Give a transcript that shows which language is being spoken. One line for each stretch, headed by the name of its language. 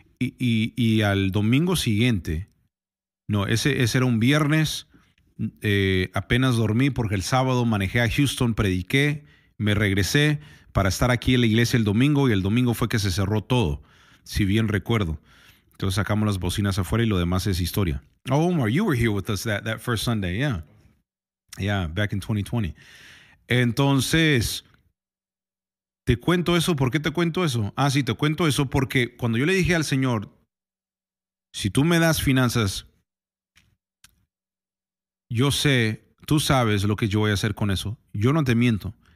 Spanish: Y al domingo siguiente, no, ese era un viernes, apenas dormí porque el sábado manejé a Houston, prediqué, me regresé para estar aquí en la iglesia el domingo, y el domingo fue que se cerró todo, si bien recuerdo. Entonces sacamos las bocinas afuera y lo demás es historia.
English: Oh, Omar, you were here with us that first Sunday, yeah. Yeah, back in 2020. Entonces...
Spanish: te cuento eso, ¿por qué te cuento eso? Ah, sí, te cuento eso porque cuando yo le dije al Señor, si tú me das finanzas, yo sé, tú sabes lo que yo voy a hacer con eso. Yo no te miento.